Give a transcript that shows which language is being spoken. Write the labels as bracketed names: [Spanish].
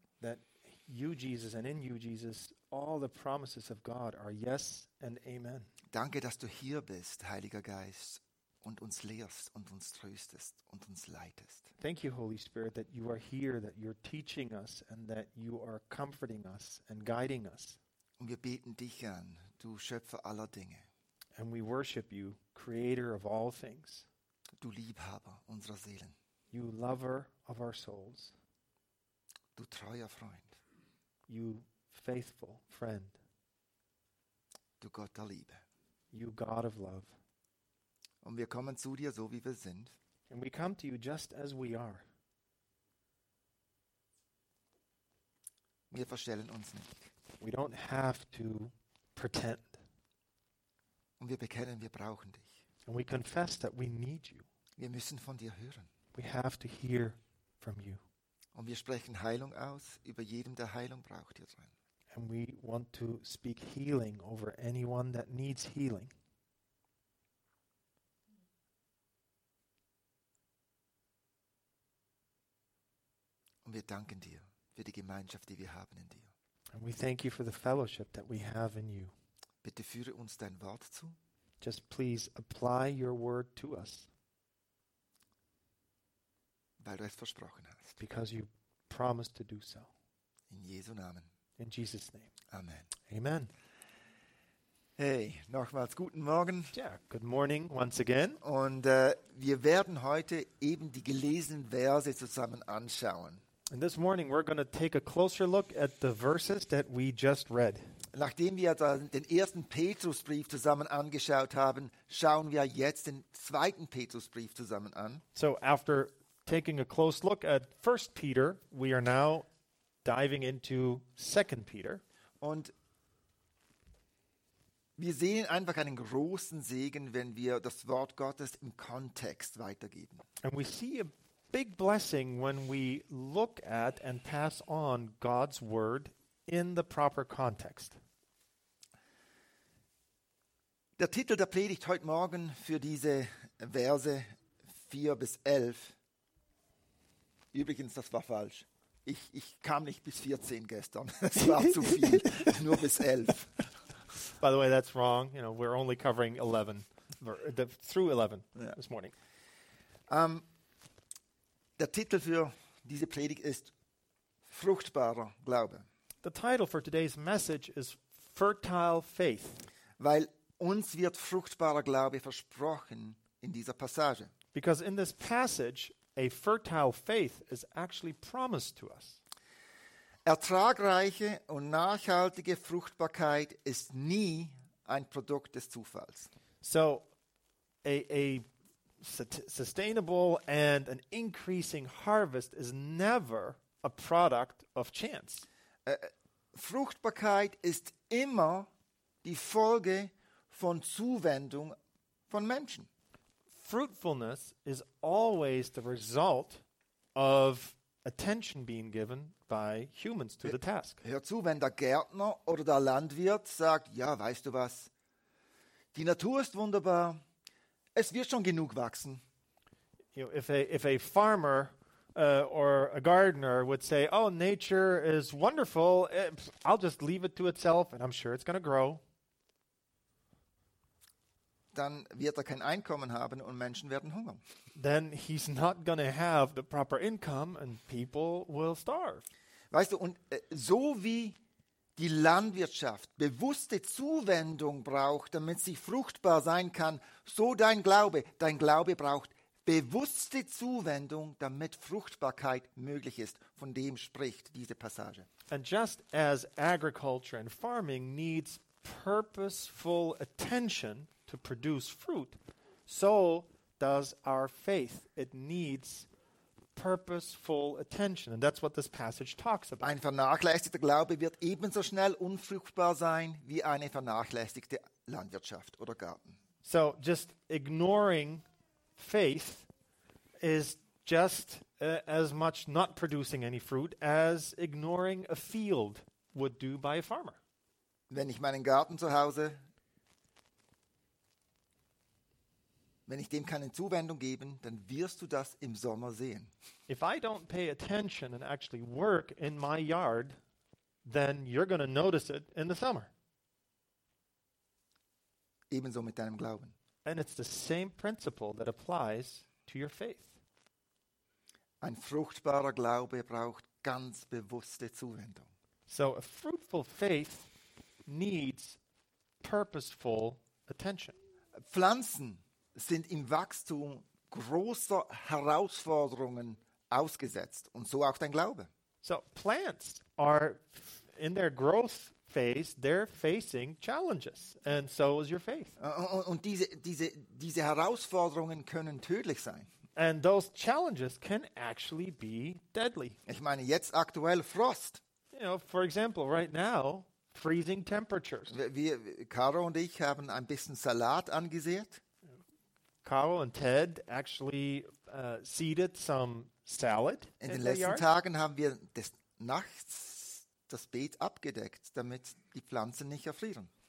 [English] That you, Jesus, and in you, Jesus, all the promises of God are yes and amen. [German] Danke, dass du hier bist, Heiliger Geist, und uns lehrst und uns tröstest und uns leitest. [English] Thank you, Holy Spirit, that you are here, that you're teaching us and that you are comforting us and guiding us. [German] Und wir beten dich an, du Schöpfer aller Dinge. [English] And we worship you, creator of all things. [German] Du Liebhaber unserer Seelen. [English] You lover of our souls. [German] Du treuer Freund. [English] You faithful friend. [German] Du Gott der Liebe. [English] You God of love. [German] Und wir kommen zu dir, so wie wir sind. [English] And we come to you just as we are. [German] Wir verstellen uns nicht. [English] We don't have to pretend. [German] Und wir bekennen, wir brauchen dich. [English] And we confess that we need you. [German] Wir müssen von dir hören. [English] We have to hear from you. [German] Und wir sprechen Heilung aus über jedem, der Heilung braucht hier drin. [English] And we want to speak healing over anyone that needs healing. [German] Und wir danken dir für die Gemeinschaft, die wir haben in dir. [English] And we thank you for the fellowship that we have in you. [German] Bitte führe uns dein Wort zu. [English] Just please apply your word to us. [German] Weil du es versprochen hast. [English] Because you promised to do so. [German] In Jesu Namen. [English] In Jesus' name. [German] Amen. [English] Amen. [German] Hey, nochmals guten Morgen. [English] Yeah, good morning once again. [German] Und wir werden heute eben die gelesenen Verse zusammen anschauen. [English] And this morning we're going to take a closer look at the verses that we just read. [German] Nachdem wir den ersten Petrusbrief zusammen angeschaut haben, schauen wir jetzt den zweiten Petrusbrief zusammen an. [English] So after taking a close look at 1 Peter, we are now diving into 2 Peter. [German] Und wir sehen einfach einen großen Segen, wenn wir das Wort Gottes im Kontext weitergeben. [English] And we see a big blessing when we look at and pass on God's word in the proper context. [German] Der Titel der Predigt heute Morgen für diese Verse 4 bis 11. Übrigens, das war falsch. Ich kam nicht bis 14 gestern. Es war zu viel. Nur bis 11. [English] By the way, that's wrong. You know, we're only covering 11. Through 11 yeah. This morning. [German] Der Titel für diese Predigt ist Fruchtbarer Glaube. [English] The title for today's message is Fertile Faith. [German] Weil uns wird fruchtbarer Glaube versprochen in dieser Passage. [English] Because in this passage, a fertile faith is actually promised to us. [German] Ertragreiche und nachhaltige Fruchtbarkeit ist nie ein Produkt des Zufalls. [English] So, a sustainable and an increasing harvest is never a product of chance. [German] Fruchtbarkeit ist immer die Folge von Zuwendung von Menschen. [English] Fruitfulness is always the result of attention being given by humans to the task. [German] Hör zu, wenn der Gärtner oder der Landwirt sagt, ja, weißt du was, die Natur ist wunderbar, es wird schon genug wachsen. [English] You know, if a farmer or a gardener would say, oh, nature is wonderful, I'll just leave it to itself and I'm sure it's going to grow. [German] Dann wird er kein Einkommen haben und Menschen werden hungern. [English] Then he's not going to have the proper income and people will starve. [German] Weißt du, und so wie die Landwirtschaft bewusste Zuwendung braucht, damit sie fruchtbar sein kann, so dein Glaube braucht bewusste Zuwendung, damit Fruchtbarkeit möglich ist. Von dem spricht diese Passage. [English] And just as agriculture and farming needs purposeful attention to produce fruit, so does our faith. It needs purposeful attention. And that's what this passage talks about. [German] Ein vernachlässigter Glaube wird ebenso schnell unfruchtbar sein wie eine vernachlässigte Landwirtschaft oder Garten. [English] So just ignoring faith is just as much not producing any fruit as ignoring a field would do by a farmer. [German] Wenn ich meinen Garten zu Hause, wenn ich dem keine Zuwendung gebe, dann wirst du das im Sommer sehen. [English] If I don't pay attention and actually work in my yard, then you're going to notice it in the summer. [German] Ebenso mit deinem Glauben. [English] And it's the same principle that applies to your faith. [German] Ein fruchtbarer Glaube braucht ganz bewusste Zuwendung. [English] So a fruitful faith needs purposeful attention. [German] Pflanzen sind im Wachstum großer Herausforderungen ausgesetzt und so auch dein Glaube. [English] So plants are in their growth phase, they're facing challenges and so is your faith. [German] Und diese Herausforderungen können tödlich sein. [English] And those challenges can actually be deadly. [German] Ich meine jetzt aktuell Frost. [English] You know, for example, right now freezing temperatures. [German] Wir Caro und ich haben ein bisschen Salat angesät. [English] Caro and Ted actually seeded some salad. [German] In den letzten Tagen haben wir des Nachts das Beet abgedeckt, damit die Pflanzen nicht erfrieren.